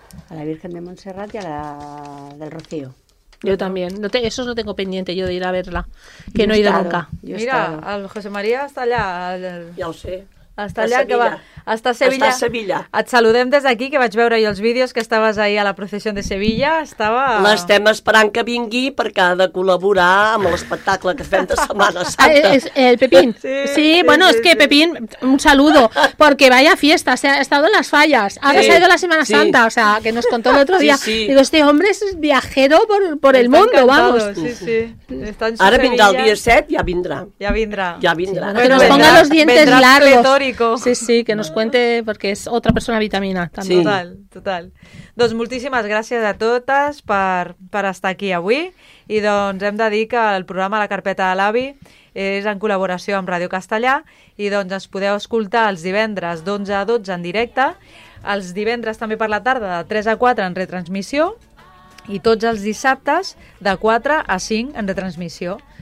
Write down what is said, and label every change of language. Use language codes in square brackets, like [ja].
[es] A la Virgen de Montserrat i a la del Rocío. Yo también, eso lo tengo pendiente yo de ir a verla, que no he ido nunca. Mira, el José María está allá. Ya lo sé. Hasta allá que va. Hasta Sevilla. Hasta Sevilla. [ca] Et saludem des d'aquí, que vaig veure ahir els vídeos que estaves ahir a la processió de Sevilla. Estava... L'estem esperant que vingui perquè ha de col·laborar amb l'espectacle que fem de Setmana Santa. El Pepín. Sí, [es] Pepín, un saludo. Porque vaya fiesta, se ha estado en las fallas. Ahora se ha ido la Semana Santa, o sea, que nos contó el otro día. Sí, sí. Digo, este hombre es viajero por el mundo, encantado. Vamos. Sí, sí. Sevilla. [ca] Ara vindrà el dia 7, ja vindrà. Ja vindrà. Ja vindrà. [es] Sí, que nos ponga los dientes largos. Vendrá pletórico. Sí, sí, que nos cuente porque es otra persona vitamina sí. Total, total. [ca] Doncs moltíssimes gràcies a totes per estar aquí avui i doncs hem de dir que el programa La Carpeta de l'Avi és en col·laboració amb Ràdio Castellà i doncs es podeu escoltar els divendres d'11 a 12 en directe, els divendres també per la tarda de 3 a 4 en retransmissió i tots els dissabtes de 4 a 5 en retransmissió.